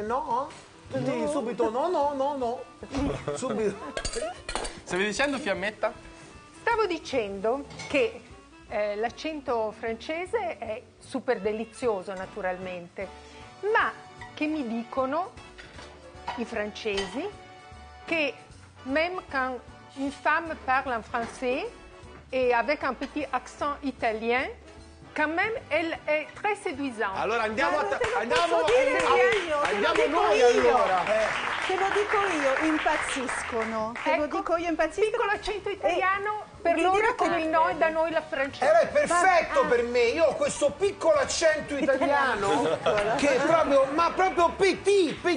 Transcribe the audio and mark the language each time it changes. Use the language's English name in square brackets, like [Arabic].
[Italian] No? No. Sì, subito no. Subito. Stavi dicendo Fiammetta? Stavo dicendo che l'accento francese è super delizioso naturalmente, ma che mi dicono... i francesi, che [French] même quand une femme parle en français et avec un petit accent italien, quand même elle est très séduisante. [Italian] Allora andiamo noi allora. Te lo dico io, impazziscono. Piccolo accento italiano per loro come noi, da noi la francese. È perfetto per me, io ho questo piccolo accento italiano. Che è proprio, ma proprio petit.